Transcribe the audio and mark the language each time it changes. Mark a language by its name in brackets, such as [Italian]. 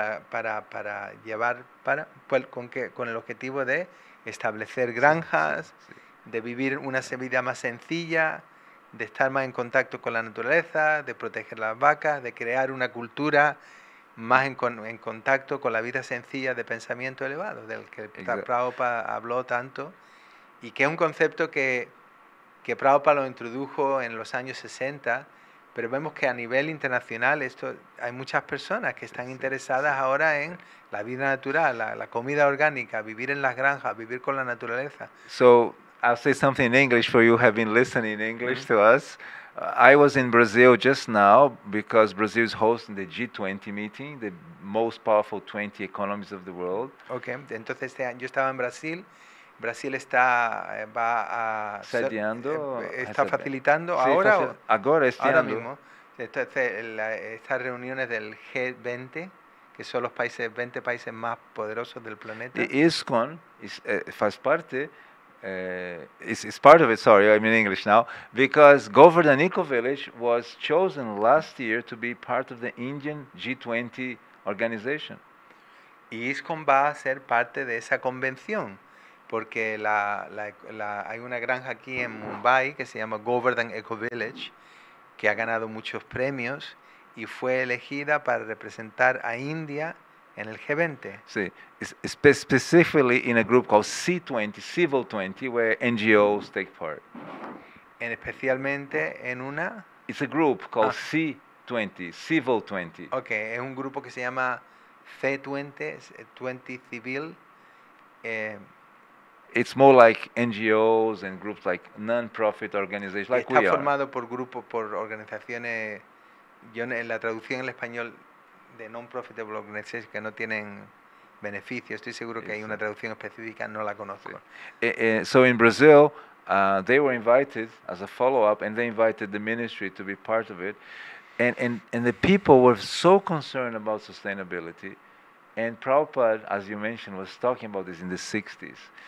[Spanish] Para llevar con el objetivo de establecer granjas, sí. De vivir una vida más sencilla, de estar más en contacto con la naturaleza, de proteger las vacas, de crear una cultura más en contacto con la vida sencilla de pensamiento elevado, del que Prabhupada habló tanto. Y que es un concepto que Prabhupada lo introdujo en los años 60, pero vemos que a nivel internacional hay muchas personas que están interesadas ahora en la vida natural, la comida orgánica, vivir en las granjas, vivir con la naturaleza. [English] So, I'll say something in English for you who have been listening in English to us. I was in Brazil just now because Brazil is hosting the G20 meeting, the most powerful 20 economies of the world. [Spanish] Okay, entonces yo estaba en Brasil. Brasil está va a [Portuguese] sediando, [Spanish] está facilitando sí, ahora o ahora, ahora mismo. Entonces, estas reuniones del G20, que son los países 20 países más poderosos del planeta. [English] The ISCON [Portuguese] faz parte [English] is part of it, sorry, I'm in English now, because Govardhan Eco Village was chosen last year to be part of the Indian G20 organization. [Spanish] Y ISCON va a ser parte de esa convención. Porque hay una granja aquí en Mumbai que se llama Govardhan Eco Village, que ha ganado muchos premios y fue elegida para representar a India en el G20. Sí, [English] specifically in a group called C20, Civil 20, where NGOs take part. [Spanish] En especialmente en una. [English] It's a group called C20, Civil 20. [Spanish] Okay, es un grupo que se llama C20, 20 Civil. [English] It's more like NGOs and groups like non-profit organizations, like we are. [Spanish] Está formado por grupos, por organizaciones. Yo en la traducción en el español de [English] non-profit organizations [Spanish] que no tienen beneficios. Estoy seguro que hay una traducción específica, no la conozco. [English] So in Brazil, they were invited as a follow-up, and they invited the ministry to be part of it. And the people were so concerned about sustainability. And Prabhupada, as you mentioned, was talking about this in the 60s.